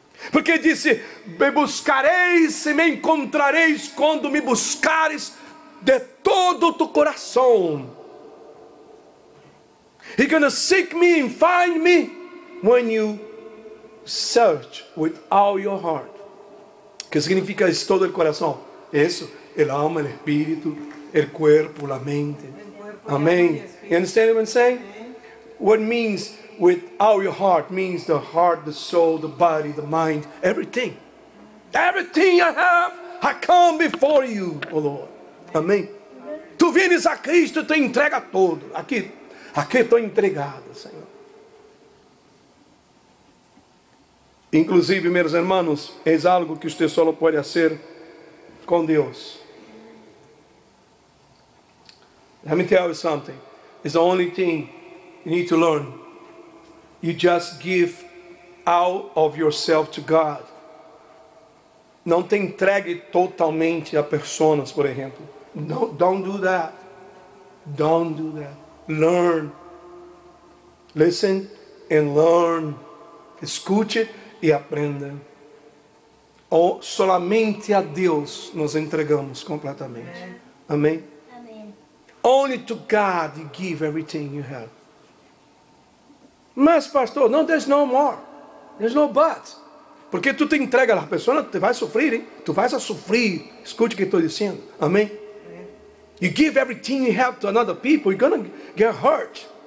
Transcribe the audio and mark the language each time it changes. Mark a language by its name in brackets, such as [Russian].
[Portuguese] Porque disse, me buscareis e me encontrareis quando me buscares de todo o teu coração. [English] He gonna seek me and find me when you search with all your heart. [Portuguese] Que significa isso, todo o coração? [Spanish] Isso, el alma, el espíritu, el cuerpo, la mente. [English] Amém. You understand what I'm saying? What means with all your heart means the heart, the soul, the body, the mind, everything. Everything I have, I come before you, oh Lord. [Spanish] Amém. Tu vienes a Cristo, tu entrega todo. [Portuguese] Aqui estou entregado, Senhor. Inclusive, meus irmãos, é algo que você só pode fazer com Deus. [English] Let me tell you something. It's the only thing you need to learn. You just give all of yourself to God. [Portuguese] Não te entregue totalmente a pessoas, por exemplo. [English] Don't do that. Don't do that. Learn. Listen and learn. [Portuguese] Escute e aprenda. Ou solamente a Deus nos entregamos completamente. Amém? [English] Only to God you give everything you have. [Portuguese] Mas pastor, [English] no, there's no more. There's no but. [Portuguese] Porque tu te entrega a pessoa, tu vai sofrer, hein? Tu vais a sofrer. Escute o que estou dizendo. Amém? [English] You give everything you have to another people, you're going to get hurt.